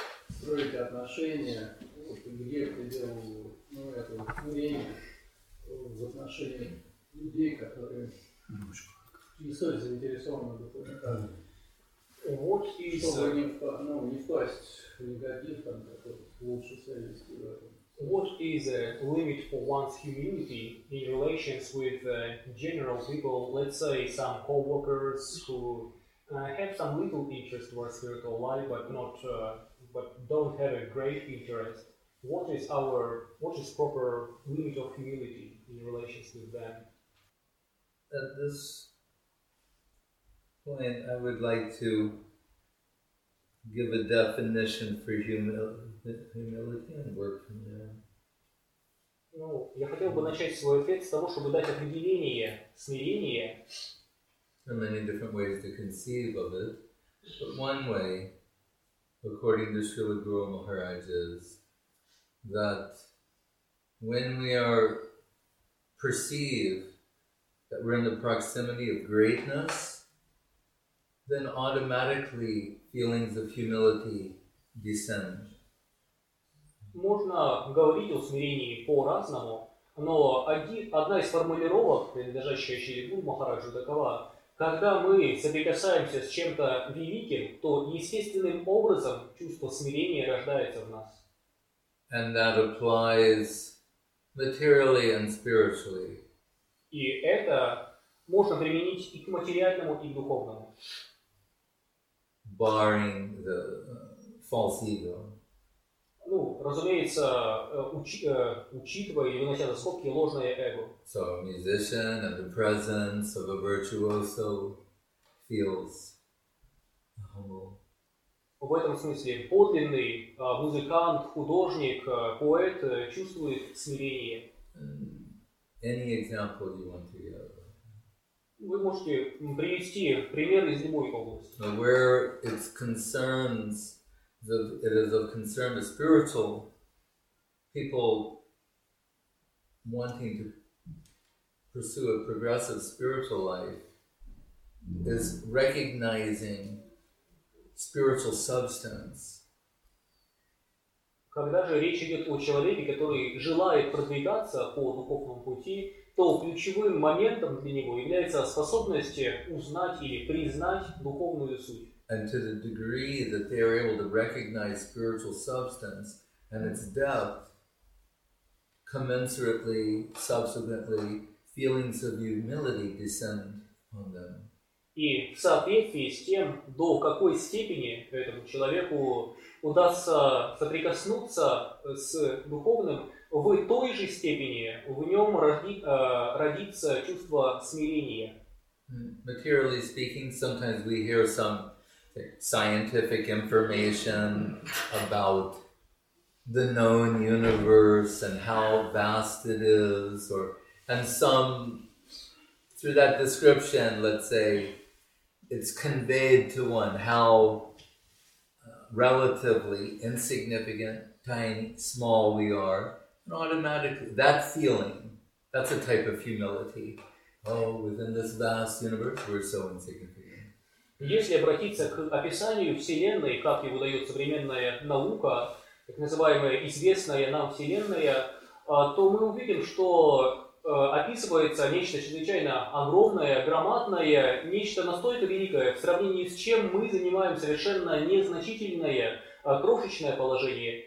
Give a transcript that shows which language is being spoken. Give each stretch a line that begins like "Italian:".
Russian: строить отношения, вот, где предел, ну, этого смирения в отношении людей, которые не столь заинтересованы в духовности. Вот и чтобы не, ну, не впасть в негатив, там, лучше себя вести в этом.
English: What is a limit for one's humility in relations with general people, let's say some co-workers who have some little interest towards spiritual life but not but don't have a great interest? What is proper limit of humility in relations with them? At this point, I would like to give a definition for humility and work from there.
Russian: Ну, я хотел бы начать свой ответ с того, чтобы дать определение смирения.
English: And many different ways to conceive of it. But one way, according to Srila Guru Maharaj, is that when we are perceive that we're in the proximity of greatness, then automatically feelings of humility descend.
Russian: Можно говорить о смирении по-разному, но одна из формулировок, принадлежащая Шри Гуру Махараджу, такова: когда мы соприкасаемся с чем-то великим, то естественным образом чувство смирения рождается в нас.
English: And that applies materially and spiritually.
Russian: И это можно применить и к материальному, и к духовному.
English: Barring the false ego.
Russian: Ну, разумеется, учитывая и вынося за скобки ложное эго.
English: So a musician in the presence of a virtuoso feels humble.
Russian: В этом смысле подлинный музыкант, художник, поэт чувствует смирение.
English: Any example you want to give.
Russian: Вы можете привести пример из любой области.
English: But where it's concerns. It is of concern to spiritual people wanting to pursue a progressive spiritual life is recognizing spiritual substance.
Russian: Когда же речь идет о человеке, который желает продвигаться по духовному пути, то ключевым моментом для него является способность узнать или признать духовную суть.
English: And to the degree that they are able to recognize spiritual substance and its depth, commensurately, subsequently, feelings of humility descend on them.
Russian: И в соответствии с тем, до какой степени этому человеку удастся соприкоснуться с духовным, в той же степени в нем родится чувство смирения.
English: Materially speaking, sometimes we hear some scientific information about the known universe and how vast it is, or and some through that description, let's say, it's conveyed to one how relatively insignificant, tiny, small we are, and automatically that feeling, that's a type of humility. Oh, within this vast universe, we're so insignificant.
Russian: Если обратиться к описанию Вселенной, как ей выдает современная наука, так называемая известная нам Вселенная, то мы увидим, что описывается нечто чрезвычайно огромное, громадное, нечто настолько великое, в сравнении с чем мы занимаем совершенно незначительное, крошечное положение.